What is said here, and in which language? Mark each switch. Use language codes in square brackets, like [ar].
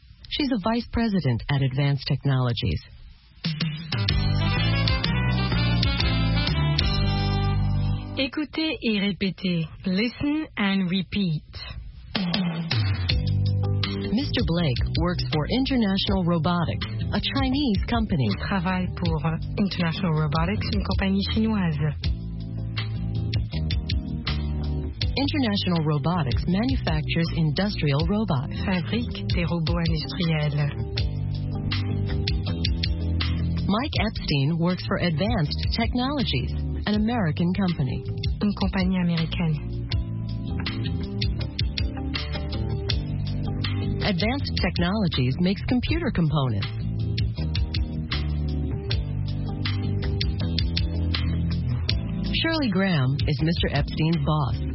[en] She's a vice president at Advanced Technologies. [fr] Écoutez et répétez. [en] Listen and repeat. Mr. Blake works for International Robotics, a Chinese company. [fr] Il travaille pour International Robotics, une compagnie chinoise. [en] International Robotics manufactures industrial robots. [fr] Fabrique des robots industriels. [en] Mike Epstein works for Advanced Technologies, an American company. [fr] Une compagnie américaine. [en] Advanced Technologies makes computer components. Shirley Graham is Mr. Epstein's boss.